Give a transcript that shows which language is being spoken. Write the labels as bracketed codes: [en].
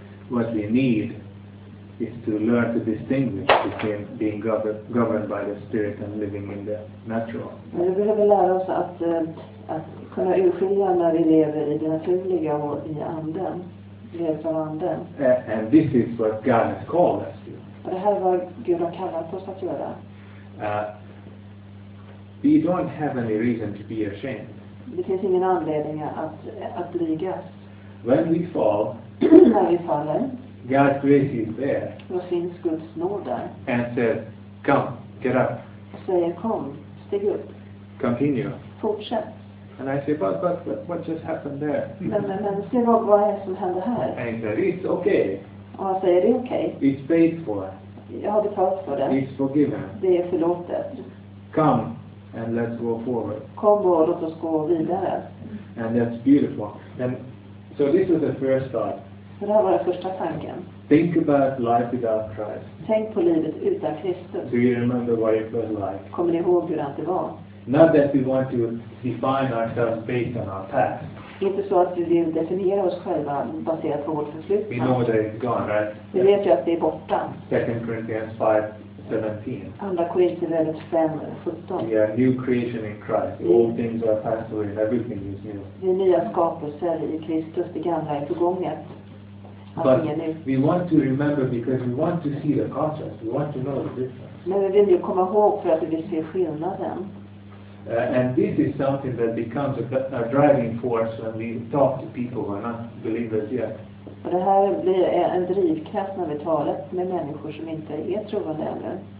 [en] What we need is to learn to distinguish between being governed by the spirit and living in the natural. [sv] Men vi behöver lära oss att kunna urskilja när vi lever i det naturliga och i anden. [en] And this is what God has called us to. [sv] Och det här var Gud har kallat oss att göra. [en] We don't have any reason to be ashamed. [sv] det finns ingen anledning att blygas. [en] When we fall, [sv] när vi faller, [en] God's grace is there. [sv] Då finns Guds nåd där. [en] And said, come, get up. [sv] Och säger, kom, stig upp. [en] Continue. [sv] Fortsätt. [en] And I say, but what just happened there? [sv] Men se vad är som hände här? [en] And he said, it's okay. [sv] Och han säger, det är okej. [en] Okay. It's paid for. [sv] Jag har betalt för det. [en] It's forgiven. [sv] Det är förlåtet. [en] Come and let's go forward. [sv] Kom och låt oss gå vidare. [en] And that's beautiful. And so this was the first thought. [sv] Så det här var den första tanken. [en] Think about life without Christ. [sv] Tänk på livet utan Kristus. [en] Do you remember what it was like? [sv] Kommer ni ihåg hur det var? [en] Not that we want to define ourselves based on our past. [sv] Inte så att vi vill definiera oss själva baserat på vårt förflutna. [en] We know that it's gone, right? [sv] Vi vet ju att det är borta. [en] 2 Corinthians 5:17. [sv] Andra Korinthierbrevet 5:17. [en] We are new creation in Christ. All things are passed away and everything is new. [sv] Vi är nya skapelser i Kristus, det gamla är förgånget. [en] But we want to remember because we want to see the contrast. We want to know the difference. [sv] Men vi vill ju komma ihåg för att vi vill se skillnaden. [en] And this is something that becomes a driving force when we talk to people who are not believers yet. [sv] Och det här blir en drivkraft när vi talar med människor som inte är troende ännu.